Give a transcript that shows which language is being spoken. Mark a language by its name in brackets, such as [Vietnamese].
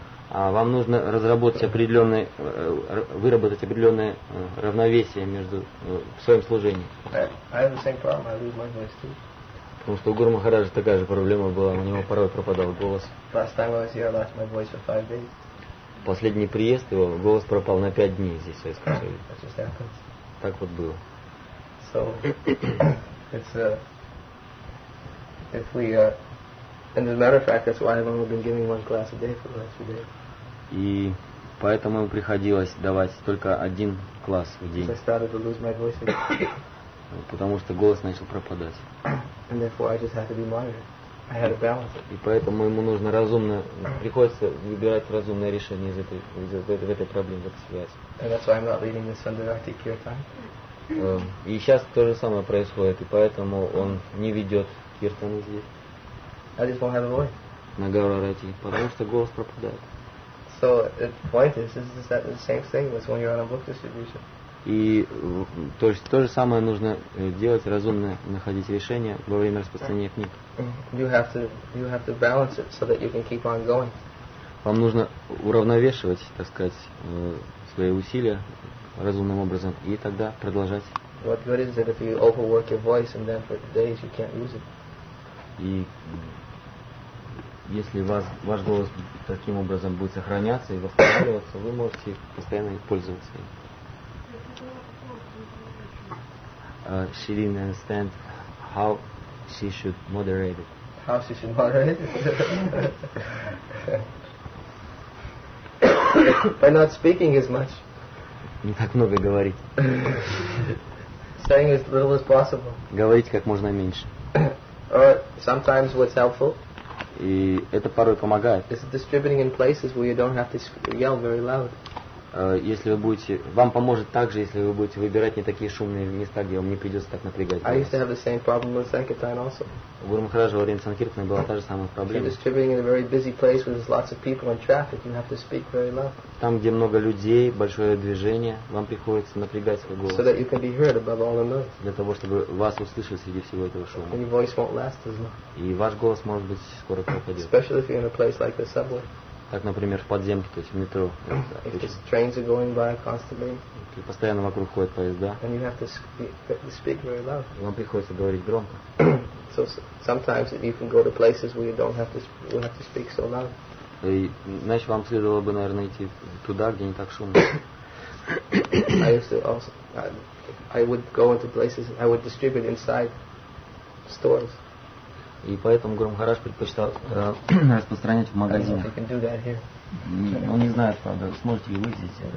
[Russian] Вам нужно разработать определенное, выработать определенное равновесие между в своем служении. [English] I have the same problem. I lose my voice too. [Russian] Потому что у Гуру Махараджа такая же проблема была, у него порой пропадал голос. Последний приезд его, голос пропал на 5 дней здесь, в Советском Союзе. Так вот было. [English] So, it's if we, and as a matter of fact, that's why I've only been giving one class a day for the last few days. [Russian] И поэтому ему приходилось давать только один класс в день. [English] Because I started to lose my voice. [Russian] Потому что голос начал пропадать. [English] And therefore I just had to be moderate. I had to balance it. [Russian] И поэтому ему нужно разумно, приходится выбирать разумное решение из этой, в этой проблеме, в этой связи. [English] And that's why I'm not leading the Sundarakti Kirtan. [Russian] И сейчас то же самое происходит, и поэтому он не ведет киртаны здесь. [English] I just won't have a voice. [Russian] На Гаурарати, потому что голос пропадает. [English] So the point is that the same thing as when you're on a book distribution. [Russian] И то есть то же самое нужно делать, разумно находить решение во время распространения книг. [English] You have to balance it so that you can keep on going. [Russian] Вам нужно уравновешивать, так сказать, свои усилия разумным образом и тогда продолжать. [English] What good is it if you overwork your voice and then for days you can't use it? [Russian] И если ваш голос таким образом будет сохраняться и восстанавливаться, вы можете постоянно пользоваться им. [English] She didn't understand how she should moderate it. How she should moderate it? By not speaking as much. [Russian] Не так много говорить. [English] Saying as little as possible. [Russian] Говорить как можно меньше. [English] Or sometimes what's helpful. [Russian] И это порой помогает. [English] Is distributing in places where you don't have to yell very loud. [Russian] Если вы будете, вам поможет также, если вы будете выбирать не такие шумные места, где вам не придется так напрягать. [English] I used to have the same problem with Sankirtan also. [Russian] У Гуру Махараджа во время Санкиртана была та же самая проблема. [English] You're distributing in a very busy place where there's lots of people and traffic, you have to speak very loud. [Russian] Там, где много людей, большое движение, вам приходится напрягать свой голос. [English] So that you can be heard above all the noise. [Russian] Для того, чтобы вас услышали среди всего этого шума. [English] And your voice won't last as long. [Russian] И ваш голос может быть скоро пропадет. [English] Especially if you're in a place like the subway. [Russian] Как, например, в подземке, то есть в метро. [English] If the trains are going by constantly. [Russian] Постоянно вокруг ходят поезда. [English] And you have to speak very loud. [Russian] Вам приходится говорить громко. [English] So sometimes you can go to places where you don't have to speak so loud. [Russian] И, значит, вам следовало бы, наверное, идти туда, где не так шумно. [English] I used to also, I would go into places, I would distribute inside stores. [Russian] И поэтому Гурум Махарадж предпочитал распространять в магазинах. Он не знает, правда, сможете ли вы здесь.